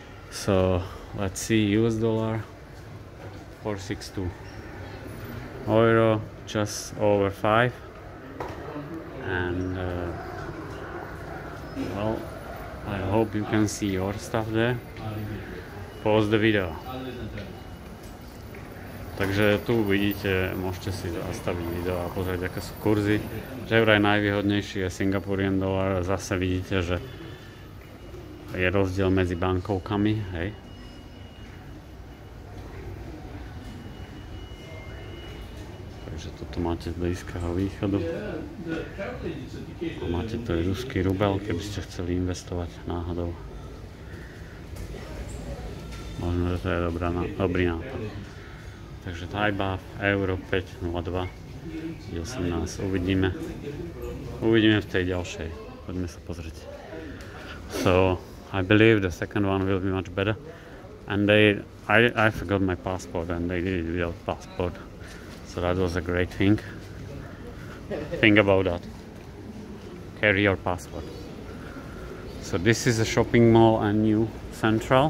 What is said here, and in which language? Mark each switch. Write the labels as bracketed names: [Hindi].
[English] So let's see, US dollar 4.62, euro just over 5, and well, I hope you can see your stuff there. Pause the video. [Slovak] Takže tu vidíte, môžete si zastaviť video a pozrieť, aké sú kurzy. Že vraj najvýhodnejší je Singapurian dollar. Zase vidíte, že je rozdiel medzi bankovkami, hej. Takže toto máte z Blízkeho východu. A máte tu aj ruský rubel, keby ste chceli investovať náhodou. Možno, že to je dobrý nápad. Takže Thai Baht, euro 5.02, 18, uvidíme v tej ďalšej, poďme sa pozrieť. [English] So, I believe the second one will be much better, and I forgot my passport, and they did it without passport, so that was a great thing. Think about that, carry your passport. So this is a shopping mall and new central.